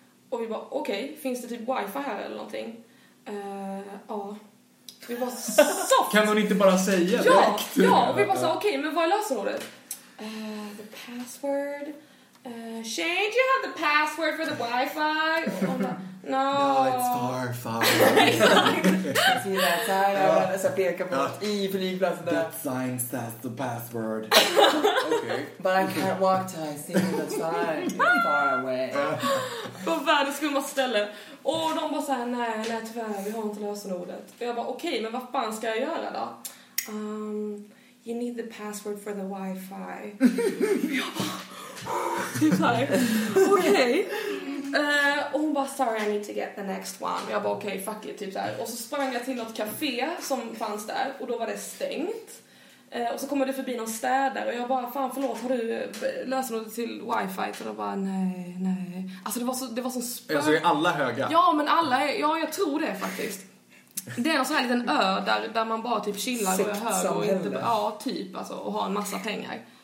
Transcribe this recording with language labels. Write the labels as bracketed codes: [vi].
[sv] Och vi bara, okej, finns det typ wifi här eller någonting? Ja. Vi bara, soft. Kan hon inte bara säga ja, det? Ja, och vi bara sa, okej, men vad är lösenordet? [en] The password. Shane, do you have the password for the wifi? [sv] Och bara, no. [en] No, it's far, far. [sv] Exakt. Så jag ska peka på i flygplatsen. [en] That sign says the password. Okay. But I can't walk till I see the sign. Far away. [sv] På världens skummaste ställe. Och de bara såhär, nej tyvärr, vi har inte lösenordet. Och jag bara, okej, men vad fan ska jag göra då? [en] You need the password for the wifi. [sv] Typ såhär, okej. Och hon bara, [en] sorry, I need to get the next one. [sv] Jag bara, okej, fuck it, typ såhär. Och så sprang jag till något café som fanns där. Och då var det stängt. Och så kommer det förbi någon städer. Och jag bara, fan förlåt, har du lösenordet till wifi? Och de bara, nej. Alltså det var så spännande. Alltså är alla höga? Ja, men alla är, ja jag tror det faktiskt. Det är någon sån här liten ö där man bara typ chillar och är hög och inte, ja typ alltså, och har en massa pengar.